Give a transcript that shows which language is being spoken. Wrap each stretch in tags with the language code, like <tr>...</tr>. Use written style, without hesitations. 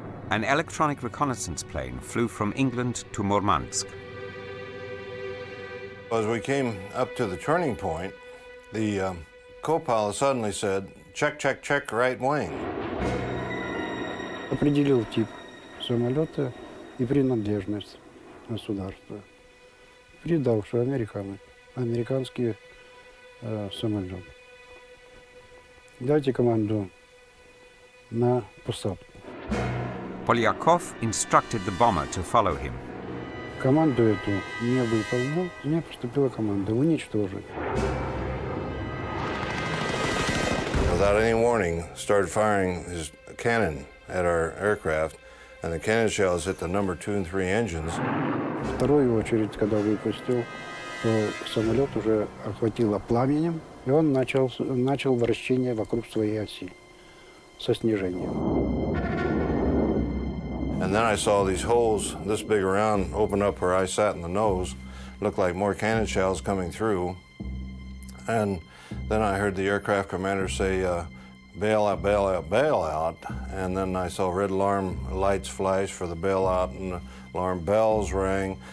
<en>An electronic reconnaissance plane flew from England to Murmansk. As we came up to the turning point, the co-pilot suddenly said, check, check, check, right wing.</en> <ru>Определил тип самолета и принадлежность государства. Предал, что американский самолет. Дайте команду на посадку.</ru> <en>Polyakov instructed the bomber to follow him.</en> <ru>Команду эту не выполнил, мне поступила команда уничтожить.</ru> <en>Without any warning, started firing his cannon at our aircraft, and the cannon shells hit the number 2 and 3 engines.</en> <ru>Вторую очередь, когда выпустил, то самолет уже охватило пламенем, и он начал вращение вокруг своей оси со снижением.</ru> <en>And then I saw these holes this big around open up where I sat in the nose, looked like more cannon shells coming through, and then I heard the aircraft commander say, bailout, bailout, bailout. And then I saw red alarm lights flash for the bailout, and alarm bells rang.</en>